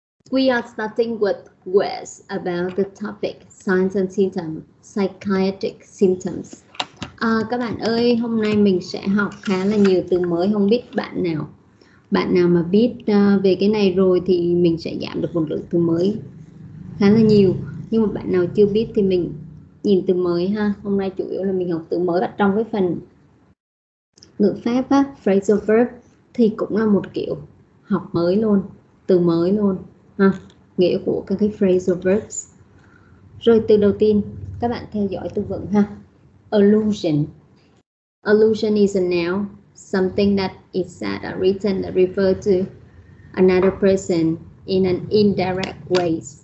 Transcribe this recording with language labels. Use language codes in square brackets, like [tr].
[en] We are starting with Wes about the topic signs and symptoms, psychiatric symptoms. [vi] Các bạn ơi, hôm nay mình sẽ học khá là nhiều từ mới. Không biết bạn nào mà biết về cái này rồi thì mình sẽ giảm được một lượng từ mới khá là nhiều. Nhưng mà bạn nào chưa biết thì mình nhìn từ mới ha. Hôm nay chủ yếu là mình học từ mới, và trong cái phần ngữ pháp á, phrasal verb, thì cũng là một kiểu học mới luôn, từ mới luôn ha, nghĩa của các cái phrasal verbs. Rồi từ đầu tiên các bạn theo dõi từ vựng ha. [en] Allusion. Allusion is a noun, something that is said or written that refers to another person in an indirect way.